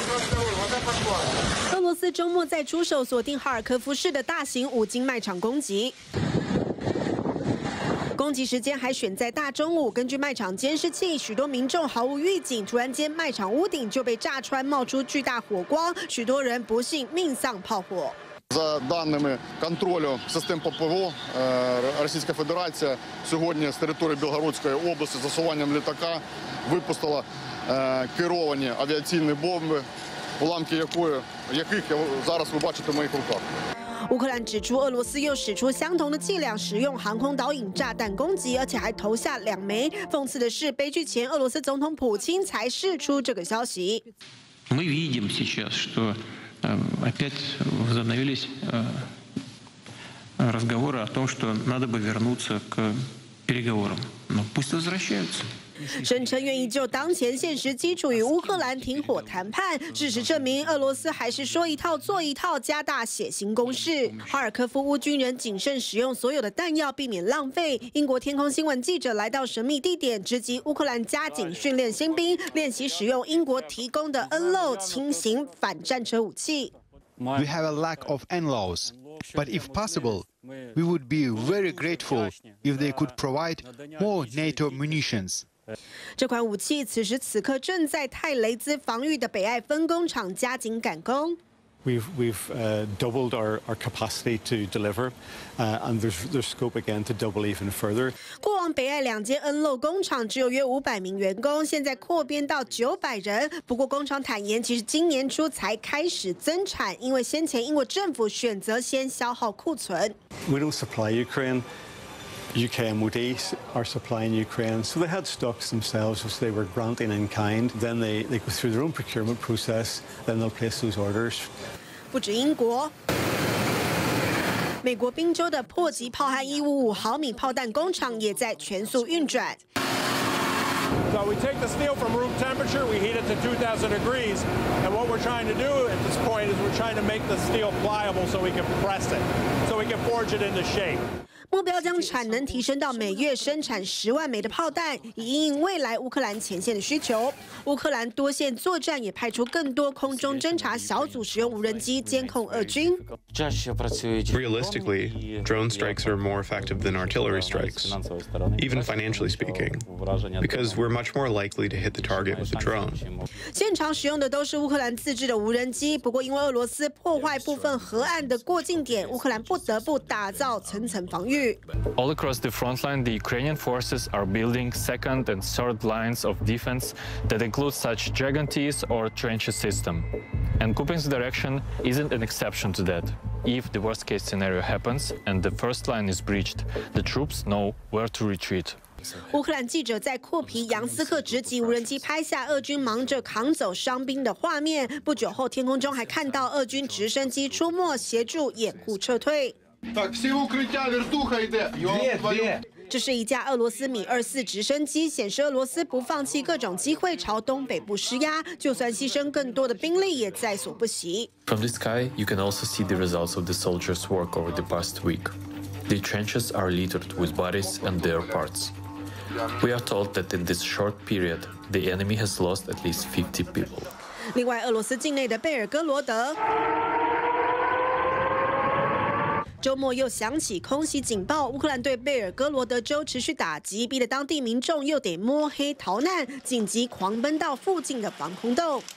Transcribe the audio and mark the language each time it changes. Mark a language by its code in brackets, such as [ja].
[zh] 俄罗斯周末再出手锁定哈尔科夫市的大型五金卖场攻击，攻击时间还选在大中午。根据卖场监视器，许多民众毫无预警，突然间卖场屋顶就被炸穿，冒出巨大火光，许多人不幸命丧炮火。 [uk] За даними контролю систем ППО, Російська Федерація сьогодні з території Білгородської області засуванням літака випустила керовані авіаційні бомби, уламки яких зараз ви бачите в моїх руках. [zh] 乌克兰指出，俄罗斯又使出相同的伎俩，使用航空导引炸弹攻击，而且还投下2枚。讽刺的是，悲剧前俄罗斯总统普京才释出这个消息。 [ru] Мы видим сейчас, что опять возобновились разговоры о том, что надо бы вернуться к переговорам. Но пусть возвращаются. [zh] 声称愿意就当前现实基础与乌克兰停火谈判，事实证明俄罗斯还是说一套做一套，加大血腥攻势。哈尔科夫乌军人谨慎使用所有的弹药，避免浪费。英国天空新闻记者来到神秘地点，直击乌克兰加紧训练新兵，练习使用英国提供的 NLO 轻型反战车武器。 [en] We have a lack of NLOs, but if possible, we would be very grateful if they could provide more NATO munitions. [zh] 这款武器此时此刻正在泰雷兹防御的北爱分工厂加紧赶工。 [en] We've doubled our capacity to deliver, and there's scope again to double even further. [zh] 过往北爱两间 NLO 工厂只有约500名员工，现在扩编到900人。不过工厂坦言，其实今年初才开始增产，因为先前英国政府选择先消耗库存。 [en] We don't supply Ukraine. UK MOD are supplying Ukraine, so they had stocks themselves, which they were granting in kind. Then they go through their own procurement process, then they'll place those orders. [zh] 不止英国，美国宾州的迫击炮和155毫米炮弹工厂也在全速运转。 [en] So we take the steel from room temperature, we heat it to 2,000 degrees, and what we're trying to do at this point is we're trying to make the steel pliable so we can press it, so we can forge it into shape. [zh] 目标将产能提升到每月生产10万枚的炮弹，以应应未来乌克兰前线的需求。乌克兰多线作战也派出更多空中侦察小组，使用无人机监控俄军。 [en] Realistically, drone strikes are more effective than artillery strikes, even financially speaking, because we're much more likely to hit the target with a drone. [zh] 现场使用的都是乌克兰自制的无人机，不过因为俄罗斯破坏部分河岸的过境点，乌克兰不得不打造层层防御。 [en] All across the front line, the Ukrainian forces are building second and third lines of defense that include such Dragon T's or trench system. And Kupiansk direction isn't an exception to that. If the worst case scenario happens and the first line is breached, the troops know where to retreat. [zh] 乌克兰记者在库皮扬斯克直击无人机拍下俄军忙着扛走伤兵的画面，不久后天空中还看到俄军直升机出没协助掩护撤退。这是一架俄罗斯米24直升机，显示俄罗斯不放弃各种机会朝东北部施压，就算牺牲更多的兵力也在所不惜。 [en] From the sky, you can also see the results of the soldiers' work over the past week. The trenches are littered with bodies and their parts. We are told that in this short period, the enemy has lost at least 50 people. [zh] 另外，俄罗斯境内的贝尔格罗德。周末又响起空袭警报，乌克兰对贝尔格罗德州持续打击，逼得当地民众又得摸黑逃难，紧急狂奔到附近的防空洞。